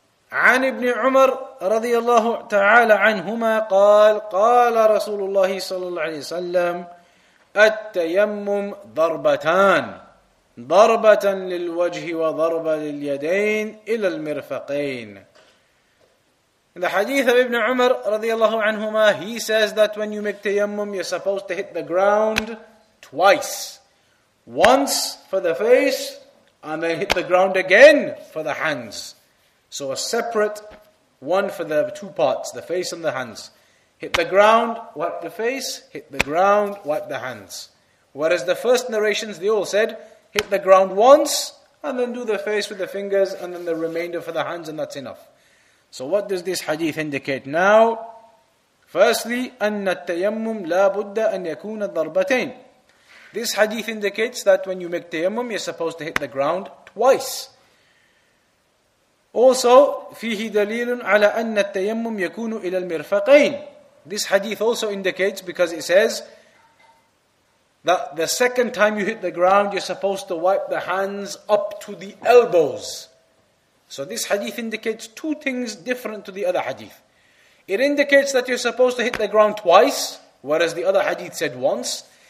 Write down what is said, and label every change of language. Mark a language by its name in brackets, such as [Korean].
[Arabic] عن ابن عمر رضي الله تعالى عنهما قال قال رسول الله صلى الله عليه وسلم التيمم ضربتان ضربة للوجه وضربة لليدين إلى المرفقين. [English] In the hadith of ابن عمر رضي الله عنهما, he says that when you make tayammum, you're supposed to hit the ground twice. Once for the face, and then hit the ground again for the hands. So a separate one for the two parts, the face and the hands. Hit the ground, wipe the face, hit the ground, wipe the hands. Whereas the first narrations, they all said, hit the ground once, and then do the face with the fingers, and then the remainder for the hands, and that's enough. So what does this hadith indicate now? Firstly, [Arabic] أَنَّ التَّيَمُّمْ لَا بُدَّ أَنْ يَكُونَ الضَّرْبَتَيْنِ. [English] This hadith indicates that when you make tayammum, you're supposed to hit the ground twice. Also, [Arabic] فيه دليل على أن التيمم يكون إلى المرفقين. [English] This hadith also indicates, because it says that the second time you hit the ground, you're supposed to wipe the hands up to the elbows. So this hadith indicates two things different to the other hadith. It indicates that you're supposed to hit the ground twice, whereas the other hadith said once.